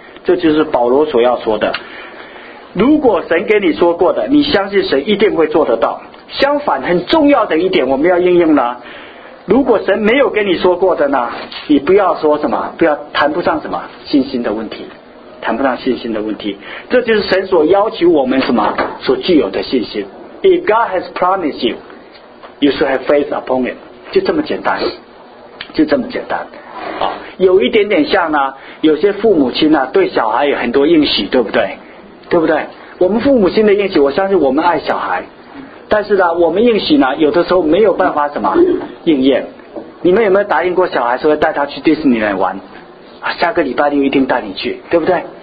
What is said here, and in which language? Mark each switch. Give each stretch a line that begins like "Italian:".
Chinese: 这就是保罗所要说的，如果神给你说过的，你相信神一定会做得到。相反，很重要的一点我们要应用了，如果神没有给你说过的呢，你不要说什么，不要谈不上什么信心的问题，谈不上信心的问题。这就是神所要求我们什么所具有的信心。
English: If God has promised you, you should have faith upon it，
Chinese: 就这么简单，就这么简单。有一点点像呢，有些父母亲呢对小孩有很多应许，对不对？对不对？我们父母亲的应许，我相信我们爱小孩，但是呢我们应许呢有的时候没有办法什么应验。你们有没有答应过小孩说带他去迪士尼来玩，下个礼拜六一定带你去，对不对？